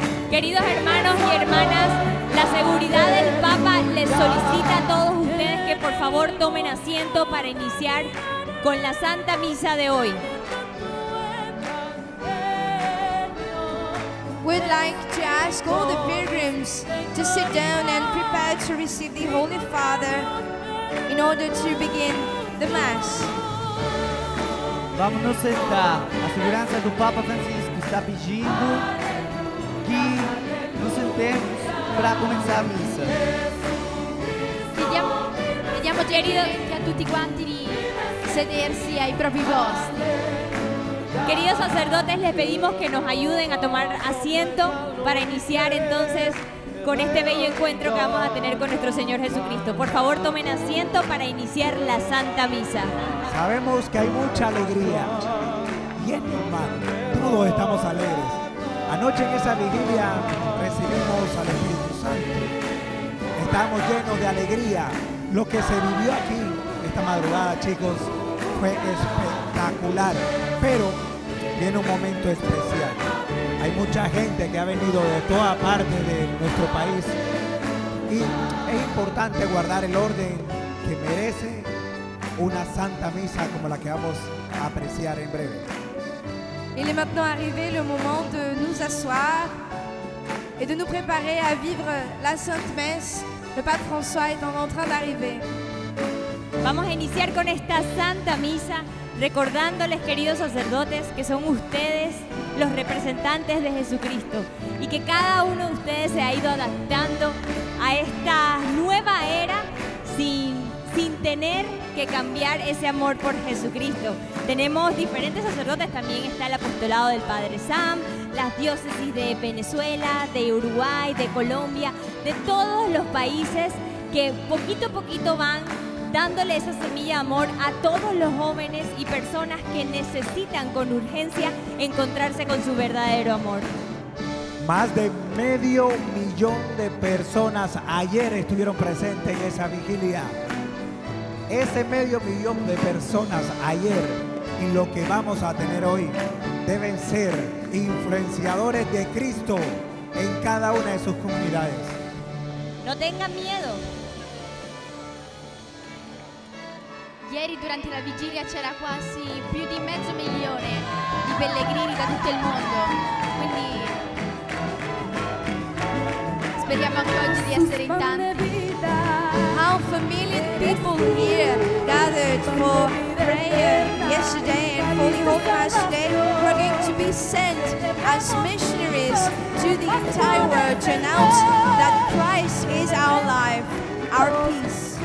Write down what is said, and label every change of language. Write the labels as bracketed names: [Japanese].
[Spanish] Queridos hermanos y hermanas, la seguridad del Papa les solicita a todos ustedes que por favor tomen asiento para iniciar con la Santa Misa de hoy. [English] We'd like to ask all the pilgrims to sit down and prepare to receive the Holy Father in order to begin the Mass. [Portuguese] Vamos nos sentar. A segurança do Papa Francisco está pedindo que nos sentemos para começar a missa. [Italian] Pediamo a tutti quanti di sedersi ai propri posti. [Spanish] Queridos sacerdotes, les pedimos que nos ayuden a tomar asiento para iniciar entonces con este bello encuentro que vamos a tener con nuestro Señor Jesucristo. Por favor, tomen asiento para iniciar la Santa Misa. Sabemos que hay mucha alegría y es normal, todos estamos alegres. Anoche en esa vigilia recibimos al Espíritu Santo. Estamos llenos de alegría. Lo que se vivió aquí esta madrugada, chicos, fue espectacular. Pero viene un momento especial. Hay mucha gente que ha venido de toda parte de nuestro país y es importante guardar el orden que merece una Santa Misa como la que vamos a apreciar en breve. [French] Il est maintenant arrivé le moment de nous asseoir et de nous préparer à vivre la Sainte Messe. Le pape François est en train d'arriver. [Spanish] Vamos a iniciar con esta Santa Misa, recordándoles, queridos sacerdotes, que son ustedes los representantes de Jesucristo y que cada uno de ustedes se ha ido adaptando a esta nueva era sin tener que cambiar ese amor por Jesucristo. Tenemos diferentes sacerdotes, también está el apostolado del Padre Sam, las diócesis de Venezuela, de Uruguay, de Colombia, de todos los países que poquito a poquito van dándole esa semilla de amor a todos los jóvenes y personas que necesitan con urgencia encontrarse con su verdadero amor. Más de 500,000 de personas ayer estuvieron presentes en esa vigilia. Ese 500,000 de personas ayer y lo que vamos a tener hoy deben ser influenciadores de Cristo en cada una de sus comunidades. No tengan miedo. [Italian] Ieri durante la vigilia c'era quasi più di 500,000 di pellegrini da tutto il mondo, quindi speriamo anche oggi di essere in tanti. [English] Half a million people here gathered for prayer yesterday and Holy Hope last day. We're going to be sent as missionaries to the entire world to announce that Christ is our life, our peace.